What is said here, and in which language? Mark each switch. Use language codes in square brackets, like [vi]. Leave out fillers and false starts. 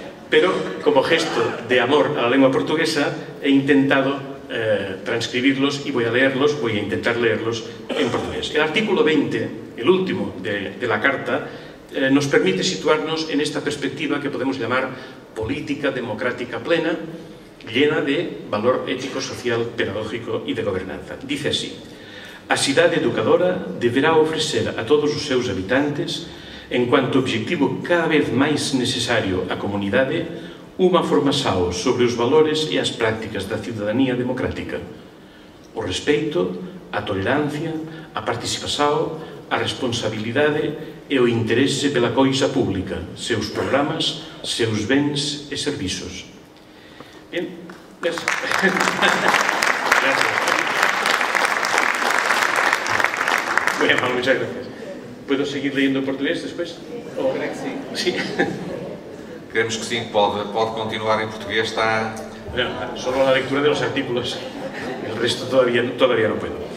[es] Pero, como gesto de amor a la lengua portuguesa, he intentado transcribirlos y voy a intentar leerlos en portugués. El artículo 20, el último de la Carta, nos permite situarnos en esta perspectiva que podemos llamar política democrática plena, llena de valor ético, social, pedagógico y de gobernanza. [gl] Dice así: a cidade educadora deberá ofrecer a todos os seus habitantes, en cuanto objetivo cada vez máis necesario a comunidade, unha formación sobre os valores e as prácticas da cidadanía democrática, o respeito, a tolerancia, a participación, a responsabilidade e o interese pela coisa pública, seus programas, seus bens e servizos. Bien. Gracias. [es] Muy amable, muchas gracias. ¿Puedo seguir leyendo en portugués después? ¿O? Creo que sí. Sí. Creemos que sí, pode continuar en portugués, está... Bueno, solo la lectura de los artículos, el resto todavía no puedo.